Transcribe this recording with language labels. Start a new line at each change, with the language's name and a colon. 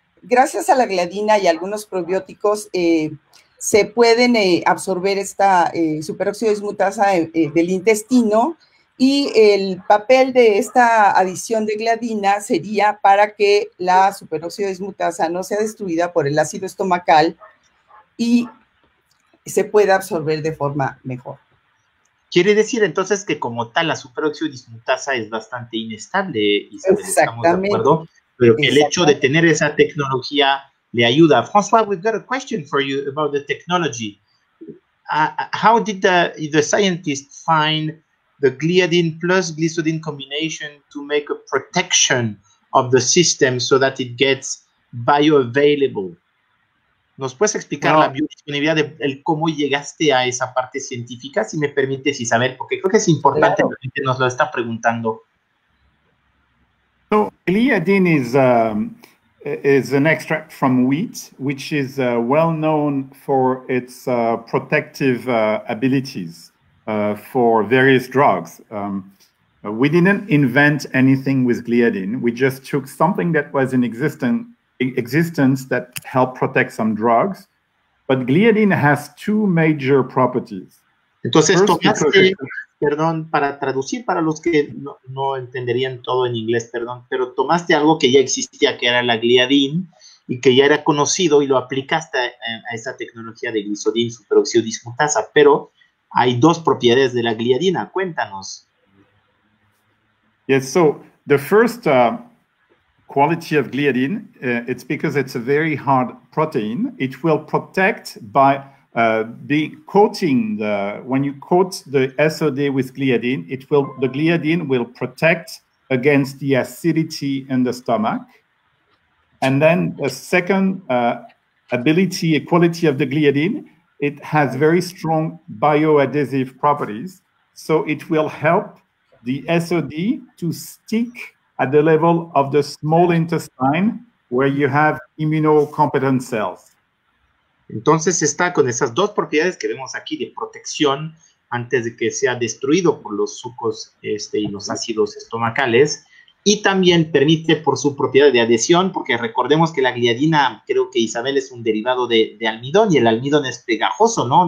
Spanish: Gracias a la gliadina y algunos probióticos, se pueden absorber esta superóxido dismutasa del intestino, y el papel de esta adición de gliadina sería para que la superóxido dismutasa no sea destruida por el ácido estomacal y se pueda absorber de forma mejor. Quiere decir entonces que como tal la superóxido dismutasa es bastante inestable, y estamos de acuerdo, pero que el hecho de tener esa tecnología le ayuda.
English: François, we've got a question for you about the technology. How did the scientist find the gliadin plus glycidin combination to make a protection of the system so that it gets bioavailable?
Spanish: ¿Nos puedes explicar la biodisponibilidad de cómo llegaste a esa parte científica, si me permites, Isabel? Porque creo que es importante, la gente nos lo está preguntando.
English: So, gliadin is an extract from wheat, which is well known for its protective abilities for various drugs. We didn't invent anything with gliadin. We just took something that was in existence that helped protect some drugs. But gliadin has two major properties.
Spanish: Entonces,
English: first,
Spanish: tomaste,
English: because...
Spanish: perdón, para traducir para los que no entenderían todo en inglés, perdón, pero tomaste algo que ya existía, que era la gliadin, y que ya era conocido, y lo aplicaste a esta tecnología de glisodin superóxido dismutasa. Pero hay dos propiedades de la gliadina. Cuéntanos.
English: Yes, so the first quality of gliadin, it's because it's a very hard protein. It will protect by being coating the, when you coat the SOD with gliadin, it will, the gliadin will protect against the acidity in the stomach. And then the second ability, a quality of the gliadin, it has very strong bioadhesive properties. So it will help the SOD to stick at the level of the small intestine where you have immunocompetent cells.
Spanish: Entonces está con esas dos propiedades que vemos aquí de protección antes de que sea destruido por los sucos y los ácidos estomacales. Y también permite por su propiedad de adhesión, porque recordemos que la gliadina, creo que Isabel, es un derivado de almidón, y el almidón es pegajoso, ¿no?